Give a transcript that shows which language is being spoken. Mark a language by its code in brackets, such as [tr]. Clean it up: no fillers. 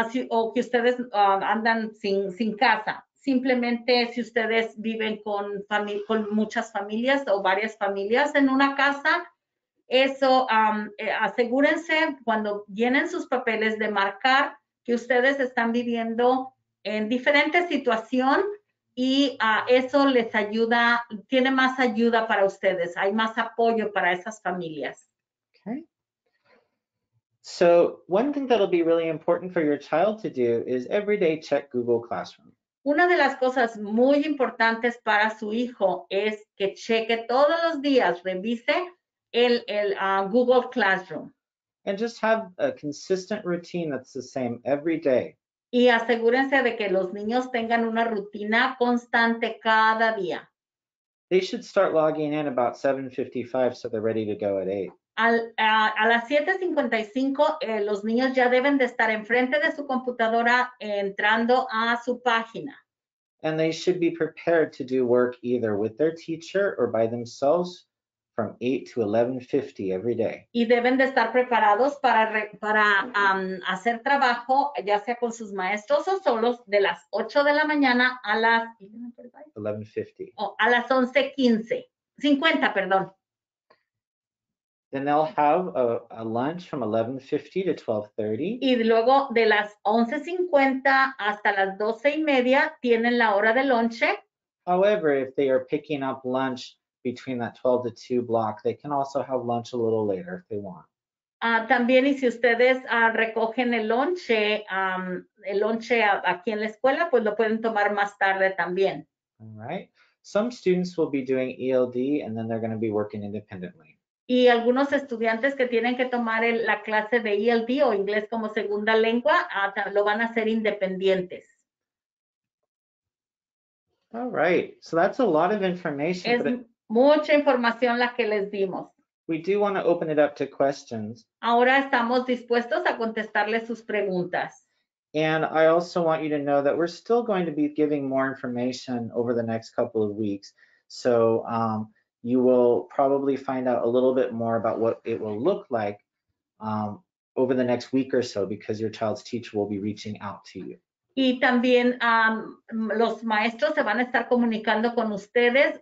[es] O que ustedes andan sin casa. Simplemente si ustedes viven con muchas familias o varias familias en una casa, eso asegúrense cuando llenen sus papeles de marcar que ustedes están viviendo en diferente situación. Y eso les ayuda, tiene más ayuda para ustedes, hay más apoyo para esas familias. [en] Okay. So one thing that'll be really important for your child to do is every day check Google Classroom. [es] Una de las cosas muy importantes para su hijo es que cheque todos los días, revise el Google Classroom. [en] And just have a consistent routine that's the same every day. [es] Y asegúrense de que los niños tengan una rutina constante cada día. [en] They should start logging in about 7:55 so they're ready to go at 8. [es] A las 7:55 los niños ya deben de estar enfrente de su computadora entrando a su página. [en] And they should be prepared to do work either with their teacher or by themselves from 8 to 11:50 every day. [es] Y deben de estar preparados para hacer trabajo, ya sea con sus maestros o solos, de las 8 de la mañana a las 11:50. A las 11:50, perdón. [en] Then they'll have a lunch from 11:50 to 12:30. [es] Y luego de las 11:50 hasta las 12:30 tienen la hora de lunch. [en] However, if they are picking up lunch between that 12 to 2 block, they can also have lunch a little later if they want. [es] También, y si ustedes recogen el lonche aquí en la escuela, pues lo pueden tomar más tarde también. [en] All right. Some students will be doing ELD and then they're going to be working independently. [es] Y algunos estudiantes que tienen que tomar la clase de ELD o inglés como segunda lengua, lo van a hacer independientes. [en] All right, so that's a lot of information. [es] Es mucha información la que les dimos. [en] We do want to open it up to questions. [es] Ahora estamos dispuestos a contestarles sus preguntas. [en] And I also want you to know that we're still going to be giving more information over the next couple of weeks. So you will probably find out a little bit more about what it will look like over the next week or so, because your child's teacher will be reaching out to you. [es] Y también los maestros se van a estar comunicando con ustedes.